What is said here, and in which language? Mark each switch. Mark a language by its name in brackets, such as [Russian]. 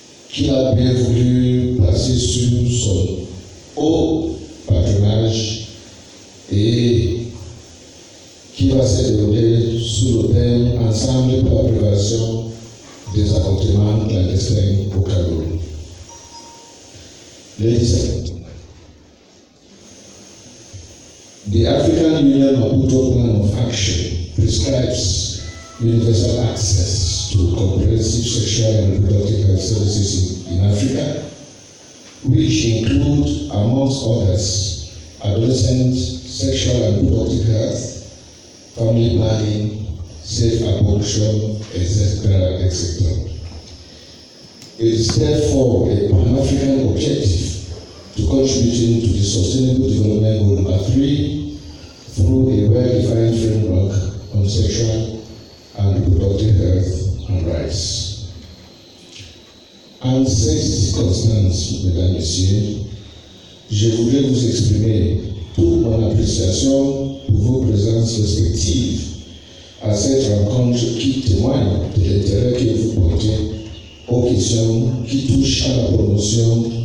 [French] qu'il a bien voulu placer sur son au patronage et qui va se dérouler sous le thème Ensemble pour la prévention des avortements clandestins au Cameroun. [English] Ladies and gentlemen, the African Union Maputo Plan of Action prescribes universal access to comprehensive sexual and reproductive health services in Africa, which include, amongst others, adolescent sexual and reproductive health, family planning, safe abortion, etc. It is therefore a pan-African objective to contribute to the sustainable development goal number 3 through a well-defined framework on sexual and reproductive health and rights. [French] En cette circonstance, Mesdames, Messieurs, je voulais vous exprimer toute mon appréciation pour vos présences respectives à cette rencontre qui témoigne de l'intérêt que vous portez aux questions qui touchent à la promotion